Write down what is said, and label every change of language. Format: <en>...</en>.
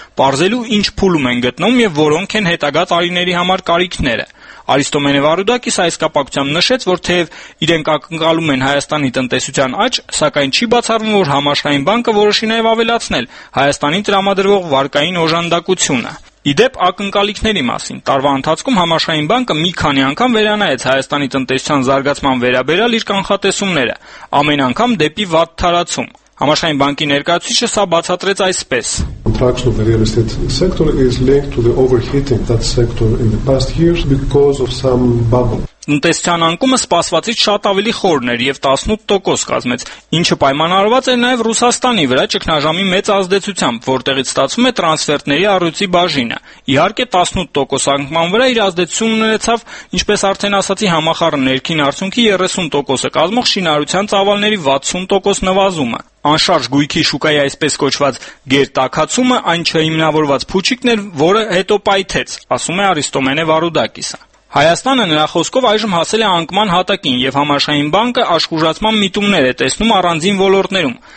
<hy>պարզելու ինչ փուլում են գտնում և որոնք են հետագա տարիների համար կարիքները։ Արիստո Մենևարուդակիս այս կապակցությամբ նշեց, որ թեև իրենք ակնկալում են Հայաստանի տնտեսության աճ, սակայն չի բացառվում, որ Համաշխարհային բանկը որոշի նաև ավելացնել Հայաստանի տրամադրվող վարկային օժանդակությունը։ Ի դեպ ակնկալիքների մասին, տարվա ընթացքում Համաշխարհային բանկը մի քանի անգամ վերանայեց Հայաստանի տնտեսության զարգացման վերաբերյալ իր կանխատեսումները, ամեն անգամ դեպի վատ տարածում։ Համաշխարհային բանկի ներկայացուցիչը սա բացատրեց այսպես.</hy> <en>Contraction of the real estate sector is linked to the overheating that sector in the past years because of some bubble.</en> <hy>Տնտեսության անկումը սպասվածից շատ ավելի խորն էր և 18% կազմեց, ինչը պայմանավորված էր նաև Ռուսաստանի վրա ճգնաժամի մեծ ազդեցությամբ, որտեղից ստացվում է տրանսֆերտների առյուծի բաժինը։ Իհարկե 18% անկման վրա իր ազդեցությունը ունեցավ, ինչպես արդեն ասացի, համախառն ներքին արդյունքի 30% կազմող շինարարության ծավալների 60% նվազումը։ Անշարժ գույքի շուկայի այսպես կոչված գերտակացումը այն չհիմնավորված փուչիկն էր, որը հետո պայթեց, ասում է Արիստո Մենևարուդակիսը։ Հայաստանը նրա խոսքով այժմ հասել է անկման հատակին և Համաշխարհային բանկը աշխուժացման միտումներ է տեսնում առանձին ոլորտներում։</hy>